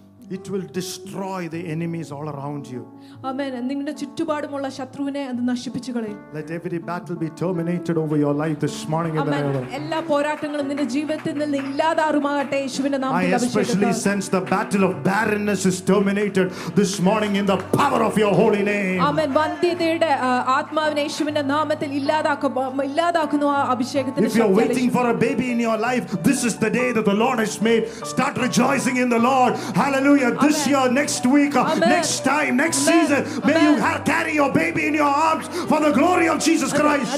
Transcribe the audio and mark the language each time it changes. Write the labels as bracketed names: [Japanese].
[English] It will destroy the enemies all around you. Amen. [Malayalam] നിങ്ങളുടെ ചുറ്റുപാടുമുള്ള ശത്രുവിനെ അത് നശിപ്പിച്ചുകളയും. [English] Let every battle be terminated over your life this morning in the name of Jesus. Amen. [Malayalam] എല്ലാ പോരാട്ടങ്ങളും നിന്റെ ജീവിതത്തിൽ നിന്ന് ഇല്ലാതാറുമാകട്ടെ യേശുവിന്റെ നാമത്തിൽ അഭിഷേകം. [English] I especially sense the battle of barrenness is terminated this morning in the power of your holy name. Amen. [Malayalam] വന്ധ്യതയുടെ ആത്മാവിനെ യേശുവിന്റെ നാമത്തിൽ ഇല്ലാതാക്കുന്നു ആ അഭിഷേകത്തിന്റെ ശക്തി. [English] If you're waiting for a baby in your life, this is the day that the Lord has made. Start rejoicing in the Lord. Hallelujah. Hallelujah. This Amen. Year, next week, Amen. Next time, next Amen. Season, may Amen. You carry your baby in your arms for the glory of Jesus Christ.